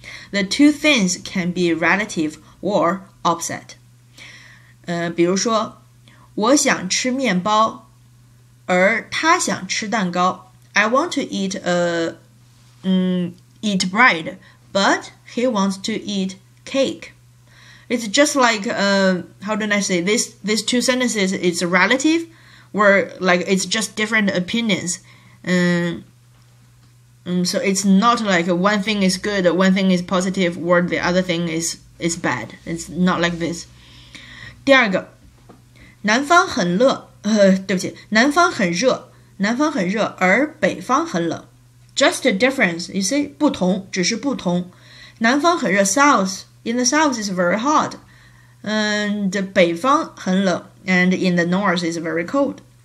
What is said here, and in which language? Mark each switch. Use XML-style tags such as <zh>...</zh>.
<en>The two things can be relative or opposite.</en> <zh>比如说我想吃面包而他想吃蛋糕。</zh> <en>I want to eat eat bread, but he wants to eat cake. It's just like, how do I say, these two sentences, it's relative, where like it's just different opinions. So it's not like one thing is good, one thing is positive, or the other thing is bad. It's not like this.</en> <zh>第二个，南方很热，对不起，南方很热，南方很热，而北方很冷。</zh> <en>Just a difference, you see,</en> <zh>不同，只是不同。南方很热</zh> <en>，South, in the South is very hot, and</en> <zh>北方很冷</zh> <en>，and in the North is very cold.</en>